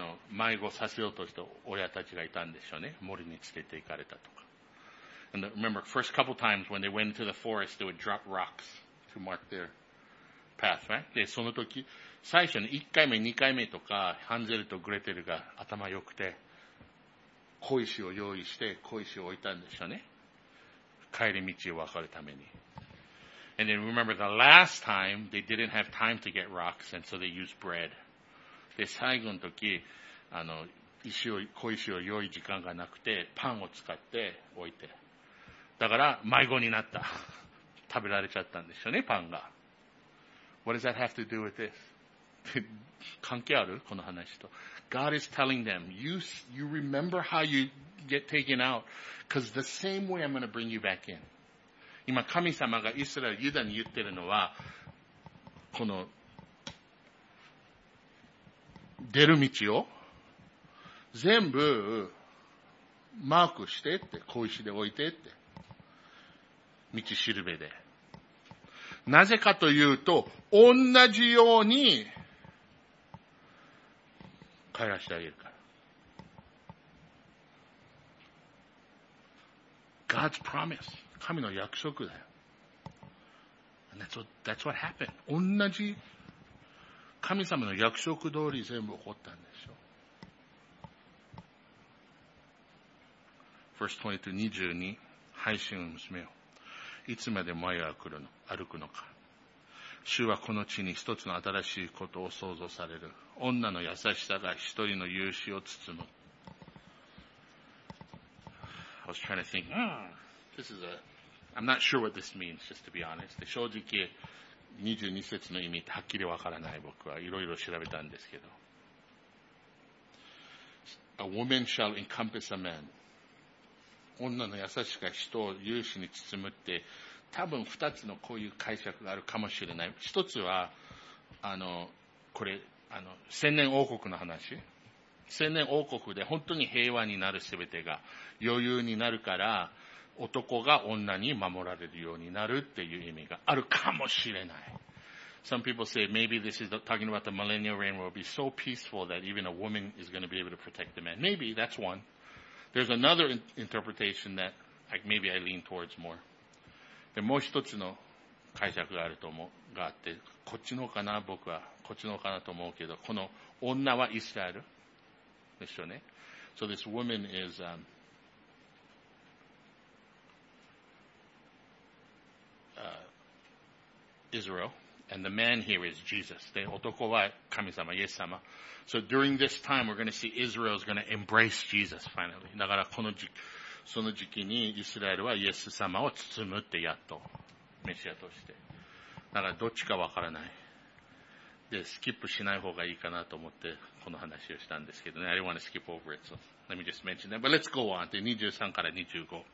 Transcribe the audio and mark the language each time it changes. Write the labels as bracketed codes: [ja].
[ja] 迷子させようとした親たちがいたんでしょうね。森に連れて行かれたとか。 [en] And remember, first couple times when they went into the forest, they would drop rocks to mark their path, right? [ja] で、その時、最初に1回目、2回目とか、ハンゼルとグレテルが頭良くて、小石を用意して、小石を置いたんでしょうね。帰り道を分かるために。 [en] And then remember the last time, they didn't have time to get rocks, and so they used bread. [ja] で、最後の時、石を、小石を用意時間がなくて、パンを使って置いて。だから、迷子になった。食べられちゃったんでしょうね、パンが。 [en] What does that have to do with this? [ja] 関係ある？この話と。 [en] God is telling them, you remember how you get taken out, because the same way I'm going to bring you back in. [ja] 今、神様がイスラエル、ユダに言ってるのは、この、出る道を全部マークしてって、小石で置いてって。道しるべで。なぜかというと、同じように帰らせてあげるから。 [en] God's promise. [ja] 神の約束だよ。 [en] And that's what happened. [ja] 同じ神様の約束通り全部起こったんでしょ。 [en] Verse 22, [ja] 22. 配信の娘よ。いつまで前を歩くのか。主はこの地に一つの新しいことを創造される。女の優しさが一人の勇士を包む。 [en] I was trying to think, this is a, I'm not sure what this means, just to be honest. [ja] 正直、22節の意味ってはっきりわからない僕は、いろいろ調べたんですけど。 [en] A woman shall encompass a man. [ja] 女の優しさが人を勇士に包むって、多分二つのこういう解釈があるかもしれない。一つは、これ、千年王国の話。千年王国で本当に平和になる全てが余裕になるから男が女に守られるようになるっていう意味があるかもしれない。 [en] Some people say maybe this is talking about the millennial reign will be so peaceful that even a woman is going to be able to protect the man. Maybe that's one. There's another interpretation that maybe I lean towards more. [ja] でもう一つの解釈があると思う、があって、こっちのかな僕は、こっちのかなと思うけど、この女はイスラエル。 [en] So this woman is Israel, and the man here is Jesus. [ja] 男は神様、イエス様。 [en] So during this time, we're going to see Israel is going to embrace Jesus finally. [ja] だからこの時、その時期にイスラエルはイエス様を包むってやっと、メシアとして。だからどっちかわからない。で、スキップしない方がいいかなと思って、この話をしたんですけどね。 [en] I didn't want to skip over it, so let me just mention that. But let's go on to 23から25。